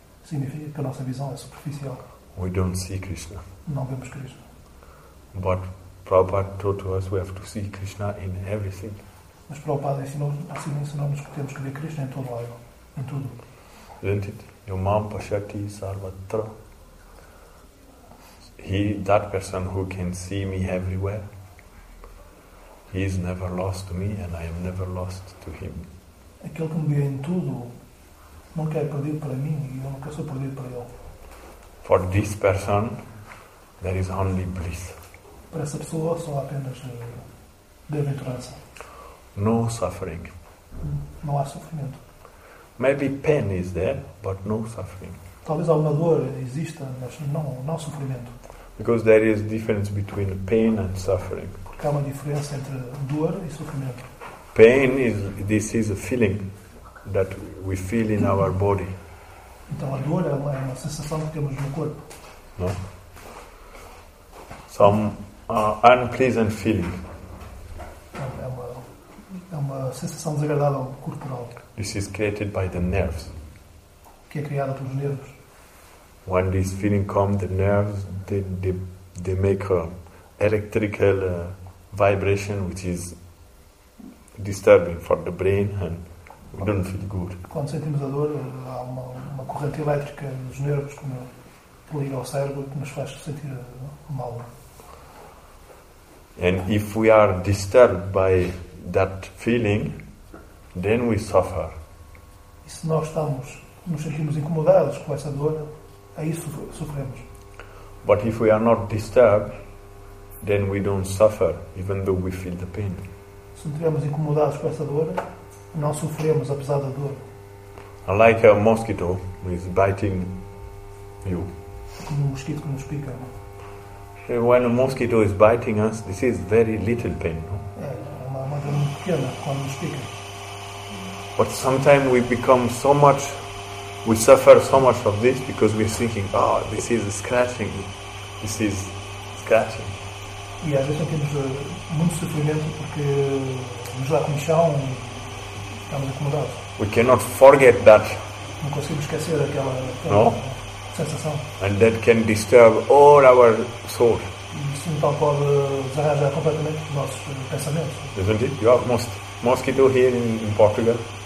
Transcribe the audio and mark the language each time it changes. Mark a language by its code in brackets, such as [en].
[pt] Significa que a nossa visão é superficial. [en] We don't see Krishna. [pt] Não vemos Krishna. [en] But Prabhupada taught to us we have to see Krishna in everything. [pt] Mas Prabhupada ensinou-nos que temos que ver Krishna em todo lado, em tudo. [en] Isn't it? [sa] Yomam Pashati Sarvatra. [en] He, that person who can see me everywhere, he is never lost to me and I am never lost to him. [pt] Aquele que me vê em tudo nunca é perdido para mim e eu nunca sou perdido para ele. [en] For this person there is only bliss. [pt] Para essa pessoa só há apenas bem-aventurança. [en] No suffering. [pt] Não há sofrimento. [en] Maybe pain is there, but no suffering. [pt] Talvez alguma dor exista, mas não sofrimento. [en] Because there is difference between pain and suffering. [pt] Porque há uma diferença entre dor e sofrimento. [en] Pain is, this is a feeling that we feel in our body. [pt] Então a dor é uma sensação que temos no corpo. [en] No. Some unpleasant feeling. [pt] É uma sensação desagradável corporal. [en] This is created by the nerves. [pt] Que é criada pelos nervos. [en] When this feeling comes, the nerves they make an electrical vibration which is disturbing for the brain and we don't feel good. [pt] Quando sentimos a dor, há uma corrente elétrica nos nervos que liga ao cérebro que nos faz sentir mal. [en] And if we are disturbed by that feeling, then we suffer. [pt] E se nós estamos, nos sentimos incomodados com essa dor, aí sofremos. [en] But if we are not disturbed, then we don't suffer, even though we feel the pain. [pt] Se não estivermos incomodados com essa dor, não sofremos apesar da dor. [en] Like a mosquito who is biting you. [pt] Como um mosquito que nos pica. [en] When a mosquito is biting us, this is very little pain. [pt] É uma dor muito pequena quando nos pica. [en] But sometimes we become so much. We suffer so much of this because we're thinking, oh, this is scratching. This is scratching. [pt] E às vezes temos muito sofrimento porque nos dá comichão estamos acomodados. [en] We cannot forget that. [pt] Não conseguimos esquecer aquela sensação. [en] And that can disturb all our thought. [pt] Isso então pode desarranjar completamente os nossos pensamentos. [en] Isn't it? You have mosquito here in Portugal?